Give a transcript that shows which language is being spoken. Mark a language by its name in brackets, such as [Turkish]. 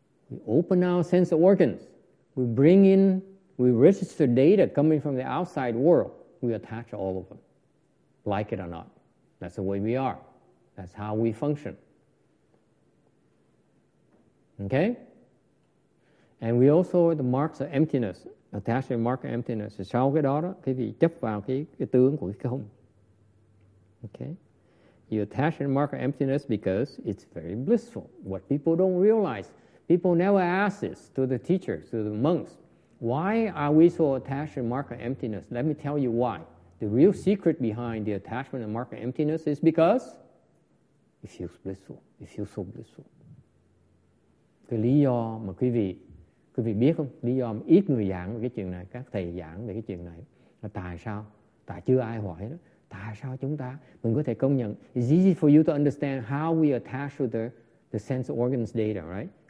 [English] We open our sense organs. We bring in, we register data coming from the outside world. We attach all of them. Like it or not. That's the way we are. That's how we function. Okay? And we also, the marks of emptiness, attached to the mark of emptiness. [Vietnamese] Sau cái đó, quý vị chấp vào cái tướng của cái không. [English] Okay? You attach to the mark of emptiness because it's very blissful. What people don't realize, people never ask this to the teachers, to the monks. Why are we so attached to the mark of emptiness? Let me tell you why. The real secret behind the attachment and mark of emptiness is because it feels blissful. It feels so blissful. [Vietnamese] Cái lý do mà quý vị biết không? Lý do mà ít người giảng về cái chuyện này, các thầy giảng về cái chuyện này là tại sao? Tại chưa ai hỏi đó. Tại sao chúng ta? Mình có thể công nhận. [English] It's easy for you to understand how we attach to the sense organs data, right?